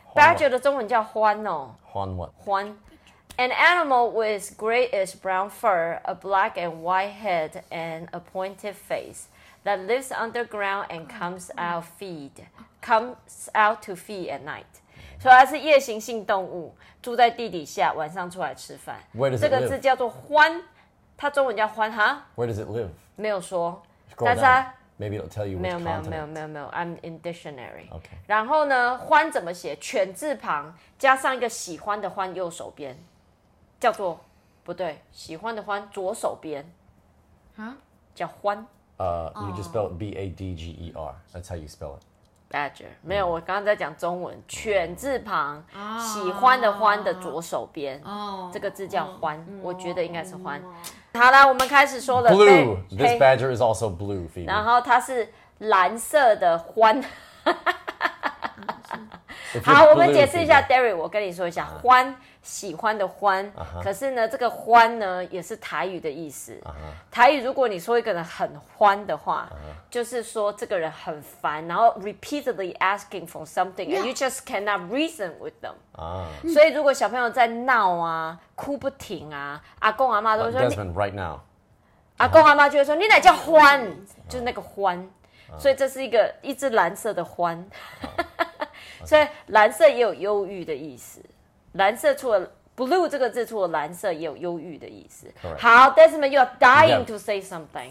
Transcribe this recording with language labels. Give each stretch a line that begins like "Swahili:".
Chinese: Badger 的中文叫獾哦。獾
English: what？獾 ，an animal with grayish brown fur, a black and white head, and a pointed face that lives underground and comes out to feed at night.
Chinese: 所以它是夜行性动物，住在地底下，晚上出来吃饭。
English: Where does it live?
Chinese: 这个字叫做獾，它中文叫獾哈。
English: Where does it live?
Chinese: 没有说。但是它
English: maybe it'll tell you.
Chinese: 没有没有没有没有没有 ，
English: I'm in dictionary. Okay.
Chinese: 然后呢，獾怎么写？犬字旁加上一个喜欢的獾，右手边叫做不对，喜欢的獾左手边，叫獾。
English: You just spell it B-A-D-G-E-R. That's how you spell it.
Chinese: Badger 没有，我刚刚在讲中文，犬字旁，喜欢的獾的左手边，这个字叫獾，我觉得应该是獾。好了，我们开始说了。
English: Blue, this badger is also blue, Phoebe.
Chinese: 然后它是蓝色的獾。好，我们解释一下 ，Derry， 我跟你说一下，獾，喜欢的獾。可是呢，这个獾呢，也是台语的意思。台语如果你说一个人很獾的话。就是说这个人很烦然后
English: repeatedly asking for something、yeah. and you just cannot reason with them、 ah.
Chinese: 所以如果小朋友在闹啊哭不停啊阿公阿妈都会说
English: Desmond, right now
Chinese: 阿公阿妈就会说、uh-huh. 你哪叫欢、uh-huh. 就是那个欢、uh-huh. 所以这是一个一只蓝色的獾。所以蓝色也有忧郁的意思。蓝色除了 blue 这个字，除了蓝色也有忧郁的意思。
English: Correct. 好 ，Desmond, you are dying to say something.